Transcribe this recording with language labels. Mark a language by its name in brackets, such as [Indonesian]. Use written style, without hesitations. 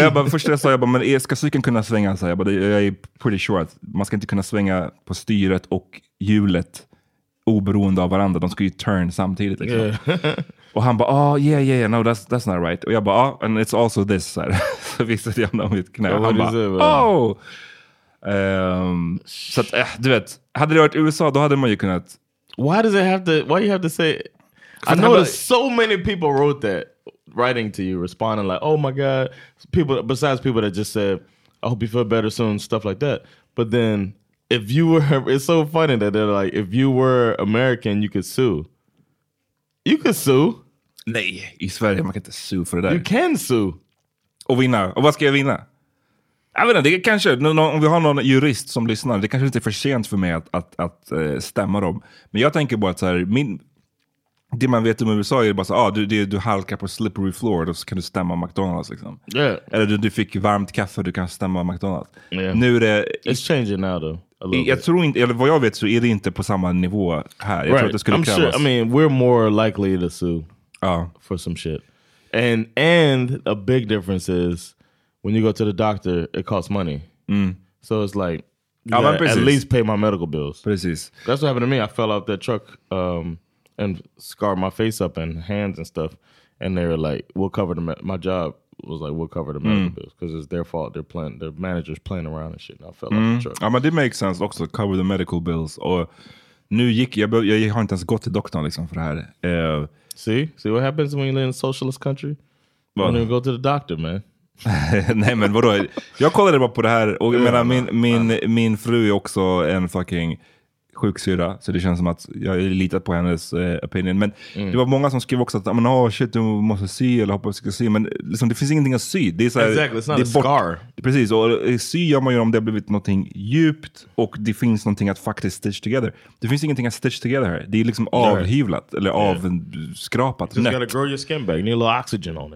[Swedish] Jag bara, men ska cykeln kunna svänga? Så jag bara, jag är [English] pretty sure [Swedish] att man ska inte kunna svänga på styret och hjulet oberoende av varandra. De ska ju turn samtidigt. Liksom. [English] Yeah. [Swedish] Och han bara, [English] oh, yeah, no, that's not right. [Swedish] Och jag bara, [English] oh, and it's also this. [Swedish] Så visade jag honom mitt knä. Han bara, oh! Så att, du vet, hade det varit USA, då hade man ju kunnat... [English] Why does it have to, why you have to say... I know there's so many people wrote that, writing to you, responding like, oh my god, besides people that just said, I hope you feel better soon, stuff like that. But then, if you were, it's so funny that they're like, if you were American, you could sue. You can sue. [Swedish] Nej, i Sverige man kan inte sue för det där. [English] You can sue. [Swedish] Och vinna. Och vad ska jag vinna? Jag vet inte, det kanske, om vi har någon jurist som lyssnar, det kanske inte är för sent för mig att stämma dem. Men jag tänker bara att så här, det man vet om USA är bara så här, du halkar på [English] slippery floor, [Swedish] då kan du stämma McDonald's liksom. [English] Yeah. [Swedish] Eller du fick varmt kaffe, du kan stämma McDonald's. [English] Yeah. [Swedish] Nu är det... [English] It's changing now though. [Swedish] Jag tror inte, eller vad jag vet så är det inte på samma nivå här. Jag [English] right. [Swedish] tror att det skulle [English] I'm [Swedish] krävas. [English] Sure. I mean, we're more likely to sue for some shit. And a big difference is when you go to the doctor, it costs money. Mm. So it's like, at least pay my medical bills. [Swedish] Precis. [English] That's what happened to me. I fell out that truck and scarred my face up and hands and stuff. And they were like, we'll cover the my job. Was like, we'll cover the medical bills because it's their fault. They're playing, their manager's playing around and shit. And I felt like the truck. I mean, it makes sense also to cover the medical bills. [Swedish] Or, nu gick jag, jag har inte ens gått till doktorn liksom för det här. [English] See what happens when you live in a socialist country? You don't even go to the doctor, man. [Swedish] Nej, men vadå? Jag kollade bara på det här. Och menar, min fru är också en fucking sjuksyra, så det känns som att jag är litat på hennes opinion, men det var många som skrev också att, men oh shit, du måste sy eller hoppas du ska sy, men liksom, det finns ingenting att sy, det är såhär, [English] exactly. [Swedish] det är scar. Precis, och sy gör man ju om det har blivit någonting djupt, och det finns någonting att faktiskt [English] stitch together, [Swedish] det finns ingenting att stitch together här, det är liksom avhyvlat eller avskrapat, [English] you just gotta grow your skin back, you need a little oxygen on it.